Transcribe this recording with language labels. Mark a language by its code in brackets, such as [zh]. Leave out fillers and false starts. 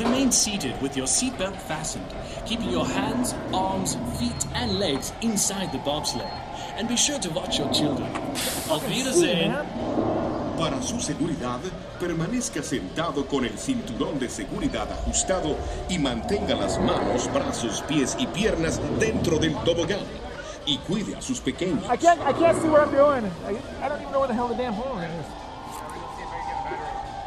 [en] Seated with your seatbelt fastened, keeping your hands, arms, feet, and legs inside the bobsled, and be sure to watch your children. [de] Auf Wiedersehen. [es] Para su seguridad, permanezca sentado con el cinturón de seguridad ajustado y mantenga las manos, brazos, pies y piernas dentro del tobogán. Y cuide a sus pequeños. [en] I can't see what I'm doing. I don't even know where the hell the damn hole is.